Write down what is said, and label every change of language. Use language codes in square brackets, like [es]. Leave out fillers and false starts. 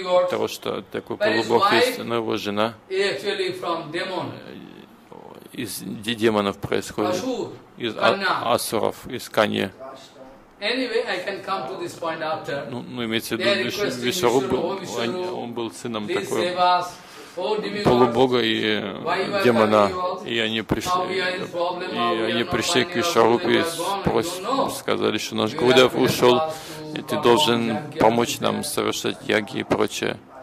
[ru] Трошта такой полубог есть, но его жена из демонов происходит. Из асуров, из Канья. [en] Anyway, I can come to this point after. [ru] Ну, имеется в виду, Вишваруп был, он был сыном такой полубога и демона, и они пришли к Вишварупе и сказали, что наш Гурудев ушел, ты должен помочь нам совершать яги и прочее.